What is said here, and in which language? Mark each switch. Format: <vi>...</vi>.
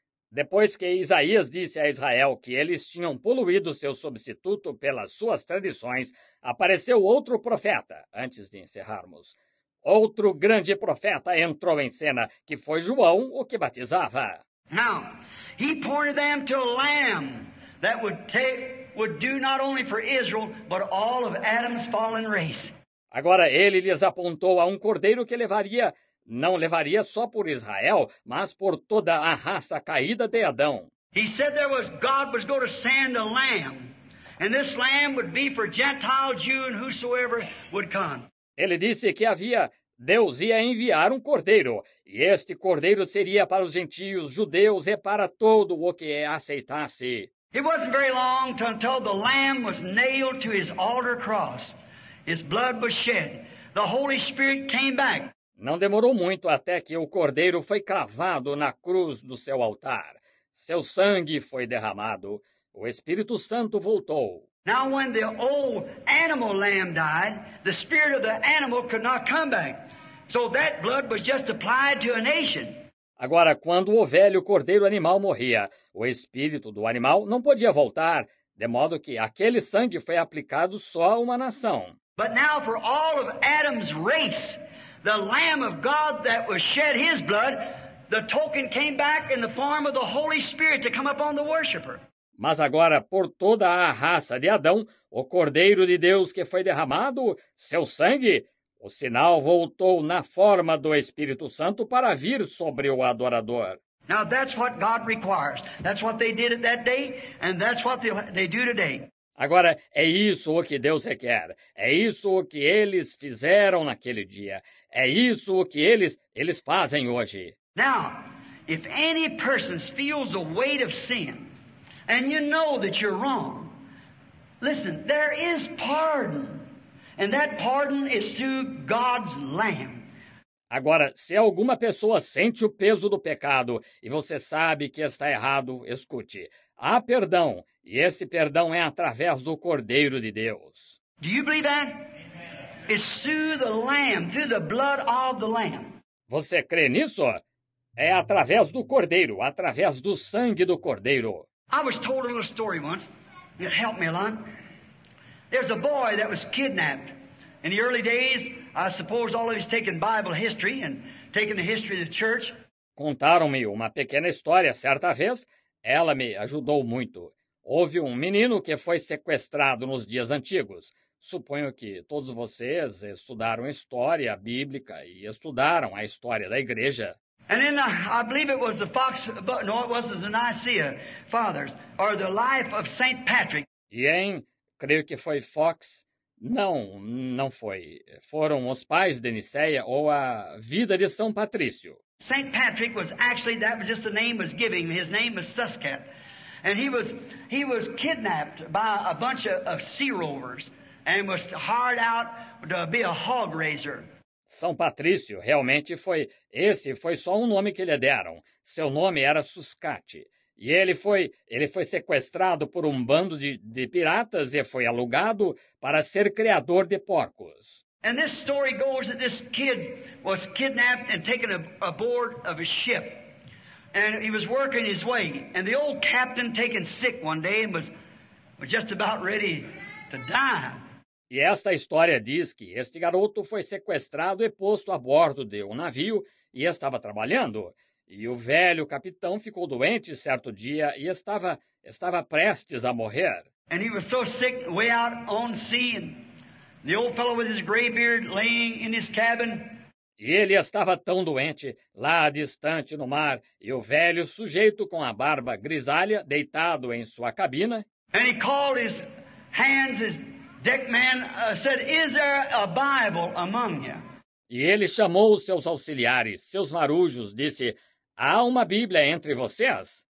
<pt>Depois que Isaías disse a Israel que eles tinham poluído seu substituto pelas suas tradições, apareceu outro profeta, antes de encerrarmos. Outro grande profeta entrou em cena, que foi João, o que batizava.</pt> <en>Now, he pointed them to a lamb that would do not only for Israel, but all of Adam's fallen race.</en> <pt>Agora ele lhes apontou a um cordeiro que não levaria só por Israel, mas por toda a raça caída de Adão.</pt> <en>He said there was God was going to send a lamb, and this lamb would be for Gentile, Jew, and whosoever would come.</en> <pt>Ele disse que havia Deus ia enviar um cordeiro, e este cordeiro seria para os gentios, judeus e para todo o que aceitasse.</pt> <en>It wasn't very long until the lamb was nailed to his altar cross. His blood was shed. The Holy Spirit came back.</en> <pt>Não demorou muito até que o cordeiro foi cravado na cruz do seu altar. Seu sangue foi derramado. O Espírito Santo voltou.</pt> <en>Now when the old animal lamb died, the spirit of the animal could not come back. So that blood was just applied to a nation.</en> <pt>Agora, quando o velho cordeiro animal morria, o espírito do animal não podia voltar, de modo que aquele sangue foi aplicado só a uma nação.</pt> <en>But now for all of Adam's race, the Lamb of God that was shed his blood, the token came back in the form of the Holy Spirit to come upon the worshiper.</en> <pt>Mas agora, por toda a raça de Adão, o Cordeiro de Deus que foi derramado, seu sangue, o sinal voltou na forma do Espírito Santo para vir sobre o adorador.</pt> <en>Now that's what God requires. That's what they did at that day, and that's what they do today.</en> <pt>Agora, é isso o que Deus requer. É isso o que eles fizeram naquele dia. É isso o que eles fazem hoje.</pt> <en>Now, if any person feels the weight of sin, and you know that you're wrong, listen, there is pardon. And that pardon is through God's Lamb.</en> <pt>Agora, se alguma pessoa sente o peso do pecado e você sabe que está errado, escute. Há perdão, e esse perdão é através do Cordeiro de Deus.</pt> <en>Do you believe that? It's through the Lamb, through the blood of the Lamb.</en> <pt>Você crê nisso? É através do Cordeiro, através do sangue do Cordeiro.</pt> <en>I was told a little story once. It helped me a lot. There's a boy that was kidnapped. In the early days, I suppose all of he's taken Bible history and taken the history of the church.</en> <pt>Contaram-me uma pequena história certa vez. Ela me ajudou muito. Houve um menino que foi sequestrado nos dias antigos. Suponho que todos vocês estudaram história bíblica e estudaram a história da igreja.</pt> <en>And then I believe it was the Fox, no, it wasn't the Nicaea Fathers, or the Life of St. Patrick.</en> <pt>E em, creio que foi Fox, não foi. Foram os pais de Nicéia ou a vida de São Patrício.</pt> <en>St. Patrick was actually, that was just the name was given. His name was Suscat. And he was kidnapped by a bunch of sea rovers and was hired out to be a hog raiser.</en> <pt>São Patrício realmente foi, esse foi só um nome que lhe deram. Seu nome era Suscat. E ele foi sequestrado por um bando de piratas e foi alugado para ser criador de porcos.</pt> <en>And this story goes that this kid was kidnapped and taken aboard of a ship. And he was working his way. And the old captain taken sick one day and was just about ready to die.</en> <pt>E essa história diz que este garoto foi sequestrado e posto a bordo de um navio e estava trabalhando. E o velho capitão ficou doente certo dia e estava prestes a morrer.</pt> <en>And he was so sick way out on sea. The old fellow with his gray beard laying in his cabin.</en> <pt>E ele estava tão doente, lá distante no mar, e o velho sujeito com a barba grisalha, deitado em sua cabina.</pt> <en>And he called his hands, his deck man, said, "Is there a Bible among you?"</en> <pt>E ele chamou os seus auxiliares, seus marujos, disse, "Há uma Bíblia entre vocês?"</pt>